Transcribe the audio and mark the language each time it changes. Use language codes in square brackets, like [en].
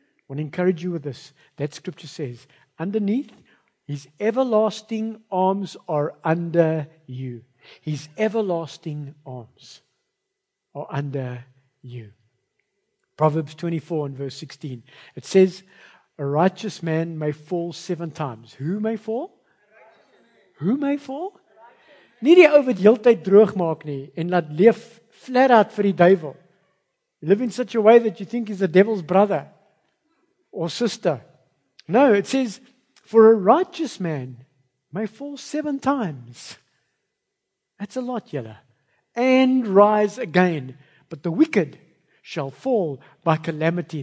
[en] I want to encourage you with this. That scripture says, underneath, His everlasting arms are under you. His everlasting arms are under you. Proverbs 24 and verse 16. It says, a righteous man may fall seven times. Who may fall? Who may fall? [af] Nie die ou wat heeltyd droog maak nie en laat leef flat out vir die duivel. [en] Live in such a way that you think he's the devil's brother or sister. No, it says, for a righteous man may fall seven times. That's a lot, Jelle. And rise again. But the wicked shall fall by calamity.